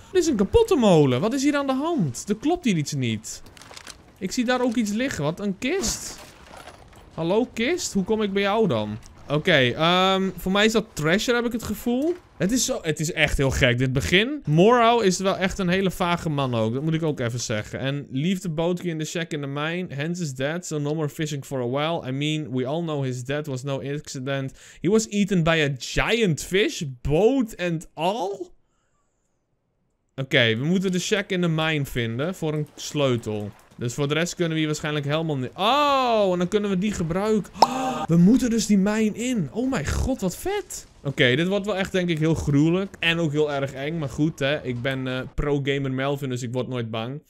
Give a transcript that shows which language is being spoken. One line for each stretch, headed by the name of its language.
Dutch: Dit is een kapotte molen. Wat is hier aan de hand? Er klopt hier iets niet. Ik zie daar ook iets liggen. Wat, een kist? Hallo, kist? Hoe kom ik bij jou dan? Oké, voor mij is dat treasure, heb ik het gevoel. Het is echt heel gek, dit begin. Morrow is wel echt een hele vage man ook. Dat moet ik ook even zeggen.
English: En leave the boat key in the shack in the mine. Hans is dead, so no more fishing for a while. I mean, we all know his death was no accident. He was eaten by a giant fish, boat and all?
Dutch: Oké, we moeten de
English: shack in the mine
Dutch: vinden voor een sleutel. Dus voor de rest kunnen we hier waarschijnlijk helemaal niet... Oh, en dan kunnen we die gebruiken. We moeten dus die mijn in. Oh mijn god, wat vet. Oké, dit wordt wel echt denk ik heel gruwelijk. En ook heel erg eng. Maar goed, hè. Ik ben pro-gamer Melvin, dus ik word nooit bang.